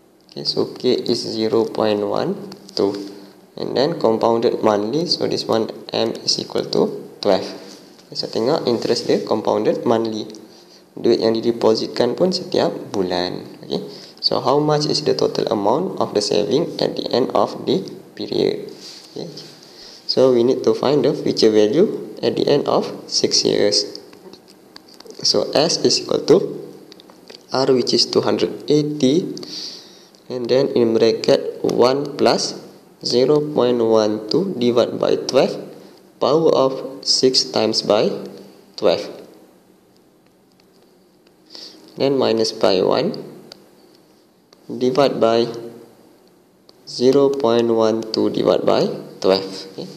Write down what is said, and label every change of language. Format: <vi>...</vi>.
<en>Okay, so K is 0.12. And then compounded monthly, so this one M is equal to 12. Okay, so tengok interest dia compounded monthly.</en> <ms>Duit yang dideposikan pun setiap bulan.</ms> <en>Okay, so how much is the total amount of the saving at the end of the period? Okay, so we need to find the future value at the end of 6 years. So S is equal to R, which is 280, and then in bracket 1 plus 0.12 divided by 12, power of 6 times by 12, then minus by 1 divided by 0.12 divided by 12.</en>